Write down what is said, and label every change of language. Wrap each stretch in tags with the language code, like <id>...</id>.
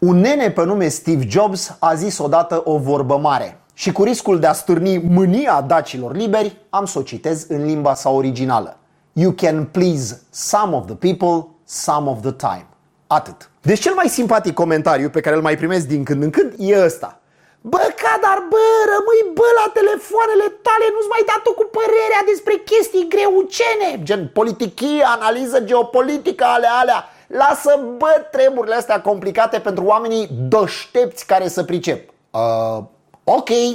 <ro>Un nene pe nume Steve Jobs a zis odată o vorbă mare și cu riscul de a stârni mânia dacilor liberi, am să o citez în limba sa originală.</ro> <en>You can please some of the people, some of the time.</en> <ro>Atât. Deci cel mai simpatic comentariu pe care îl mai primesc din când în când e ăsta. Bă, Cadar, bă, rămâi bă la telefoanele tale, nu-ți mai da tu cu părerea despre chestii greucene, gen politichie, analiză geopolitică, alea. Lasă, bă, treburile astea complicate pentru oamenii deștepți care să pricep. Ok.</ro>